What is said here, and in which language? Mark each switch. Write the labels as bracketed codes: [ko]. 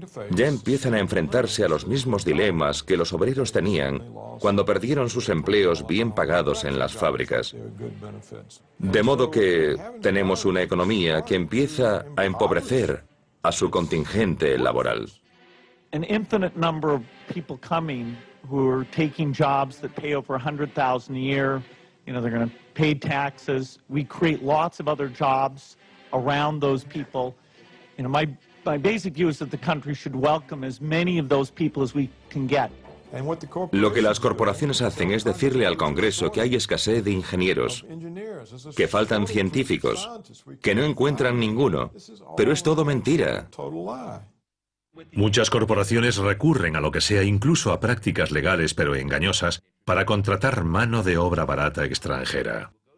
[es] Ya empiezan a enfrentarse a los mismos dilemas que los obreros tenían cuando perdieron sus empleos bien pagados en las fábricas. De modo que tenemos una economía que empieza a empobrecer a su contingente laboral. [en] An infinite number of people coming who are taking jobs that pay over $100,000 a year, you know, they're going to pay taxes. We create lots of other jobs around those people. You know, my basic view is that the country should welcome as many of those people as we can get. [es] Lo que las corporaciones hacen es decirle al Congreso que hay escasez de ingenieros, que faltan científicos, que no encuentran ninguno, pero es todo mentira. Muchas corporaciones recurren a lo que sea, incluso a prácticas legales pero engañosas, para contratar mano de obra barata extranjera.